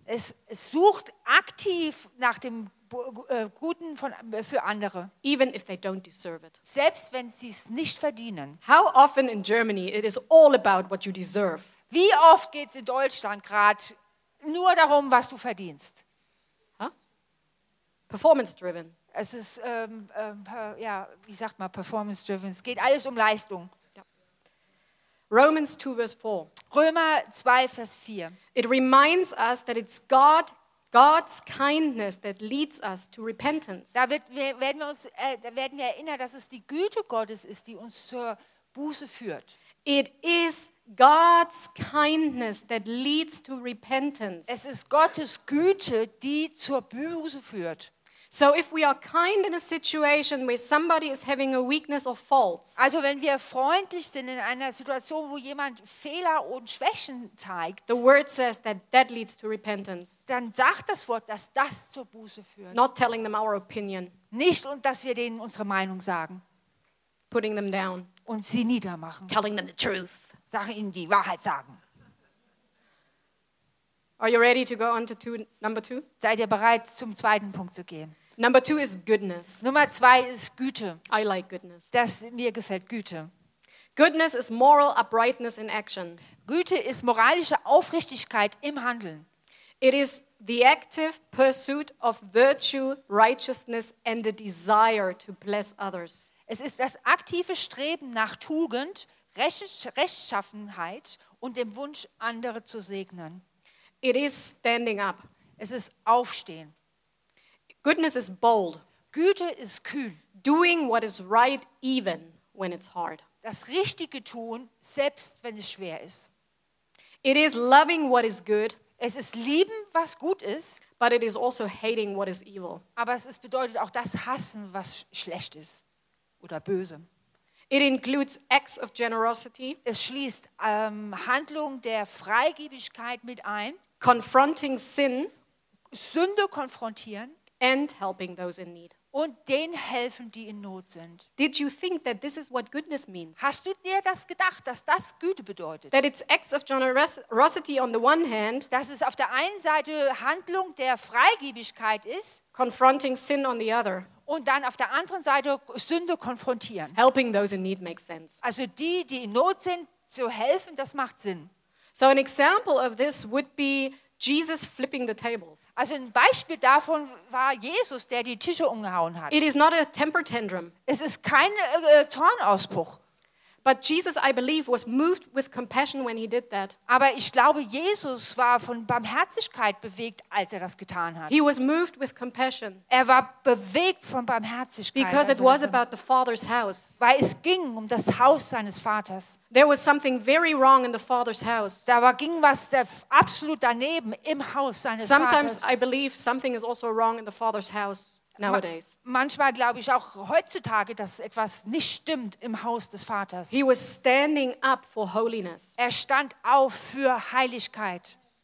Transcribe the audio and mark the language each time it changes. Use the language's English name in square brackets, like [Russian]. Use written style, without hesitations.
[German] Es sucht aktiv nach dem Guten für andere. [English] Even if they don't deserve it. [German] Selbst wenn sie es nicht verdienen. [English] How often in Germany it is all about what you deserve. [German] Wie oft geht's in Deutschland gerade nur darum, was du verdienst? [English] Huh? Performance driven. [German] Es ist wie sagt man, [English] performance driven. [German] Es geht alles um Leistung. [English] Romans 2 verse 4. [German] Römer 2 vers 4. [English] It reminds us that it's God's kindness that leads us to repentance. [German] Da werden wir erinnern, dass es die Güte Gottes ist, die uns zur Buße führt. [English] It is God's kindness that leads to repentance. [German] Es ist Gottes Güte, die zur Buße führt. [English] So if we are kind in a situation where somebody is having a weakness or faults. [German] Also wenn wir freundlich sind in einer Situation, wo jemand Fehler und Schwächen zeigt. [English] The word says that leads to repentance. [German] Dann sagt das Wort, dass das zur Buße führt. [English] Not telling them our opinion. [German] Nicht und dass wir denen unsere Meinung sagen. [English] Putting them down. [German] Und sie niedermachen. [English] Telling them the truth. [German] Sag ihnen die Wahrheit sagen. [English] Are you ready to go on to number two? [German] Seid ihr bereit, zum zweiten Punkt zu gehen? [English] Number two is goodness. [German] Nummer zwei ist Güte. [English] I like goodness. [German] Das mir gefällt Güte. [English] Goodness is moral uprightness in action. [German] Güte ist moralische Aufrichtigkeit im Handeln. [English] It is the active pursuit of virtue, righteousness and a desire to bless others. [German] Es ist das aktive Streben nach Tugend, Rechtschaffenheit und dem Wunsch, andere zu segnen. [English] It is standing up. [German] Es ist aufstehen. [English] Goodness is bold. [German] Güte ist kühn. [English] Doing what is right even when it's hard. [German] Das Richtige tun, selbst wenn es schwer ist. [English] It is loving what is good. [German] Es ist lieben, was gut ist. [English] But it is also hating what is evil. [German] Aber es bedeutet auch das Hassen, was schlecht ist oder böse. [English] It includes acts of generosity. [German] Es schließt Handlungen der Freigebigkeit mit ein. [English] Confronting sin. [German] Sünde konfrontieren. [English] And helping those in need. [German] Und denen helfen, die in Not sind. [English] Did you think that this is what goodness means? [German] Hast du dir das gedacht, dass das Güte bedeutet? [English] That it's acts of generosity on the one hand. [German] Dass es auf der einen Seite Handlung der Freigebigkeit ist. [English] Confronting sin on the other. [German] Und dann auf der anderen Seite Sünde konfrontieren. [English] Helping those in need makes sense. [German] Also die in Not sind, zu helfen, das macht Sinn. [English] So an example of this would be Jesus flipping the tables. [German] Also ein Beispiel davon war Jesus, der die Tische umgehauen hat. [English] It is not a temper tantrum. [German] Es ist kein Zornausbruch. [English] But Jesus, I believe, was moved with compassion when he did that. [German] Aber ich glaube, Jesus war von Barmherzigkeit bewegt, als er das getan hat. [English] He was moved with compassion. [German] Er war bewegt von Barmherzigkeit. [English] Because it was about the Father's house. [German] Weil es ging um das Haus seines Vaters. [English] There was something very wrong in the Father's house. [German] Ging was absolut daneben im Haus seines Vaters. [English] Sometimes I believe something is also wrong in the Father's house. Nowadays. [German] Manchmal glaube ich auch heutzutage, dass etwas nicht stimmt im Haus des Vaters. [English] He was standing up for holiness. [German] Er stand auf für Heiligkeit.